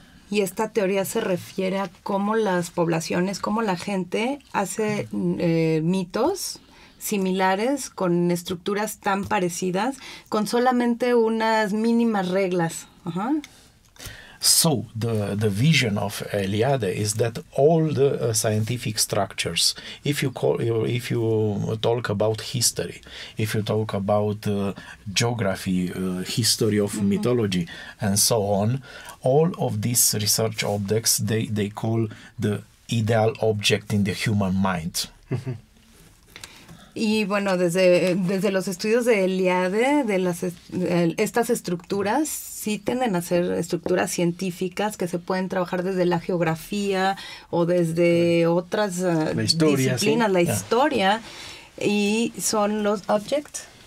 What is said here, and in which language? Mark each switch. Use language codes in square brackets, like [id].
[es] Y esta teoría se refiere a cómo las poblaciones, cómo la gente hace mitos similares, con estructuras tan parecidas, con solamente unas mínimas reglas. Uh-huh. [en] So the vision of Eliade is that all the scientific structures, if you talk about history, if you talk about geography, history of mm-hmm. mythology, and so on, all of these research objects, they call the ideal object in the human mind. [es] Y bueno, desde los estudios de Eliade, de las estas estructuras sí tienden a ser estructuras científicas que se pueden trabajar desde la geografía o desde otras disciplinas, la historia, y son los objects.